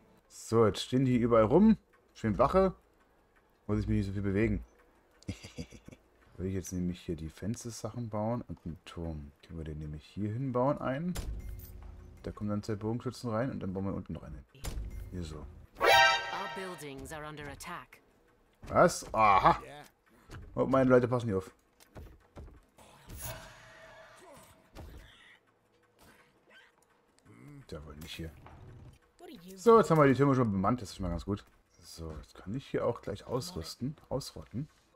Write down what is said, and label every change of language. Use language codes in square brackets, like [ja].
[de] So, jetzt stehen die überall rum. Schön Wache. Muss ich mich nicht so viel bewegen. Will ich jetzt nämlich hier die Fenstersachen bauen und einen Turm. Können wir den nämlich hier hinbauen einen. Da kommen dann zwei Bogenschützen rein und dann bauen wir unten noch einen. Hier so. [en] Our buildings are under attack. [de] Was? Aha. Oh, meine Leute passen hier auf. Hm. Der wollte nicht hier. So, jetzt haben wir die Türme schon bemannt. Das ist schon mal ganz gut. So, jetzt kann ich hier auch gleich ausrüsten. Ausrotten.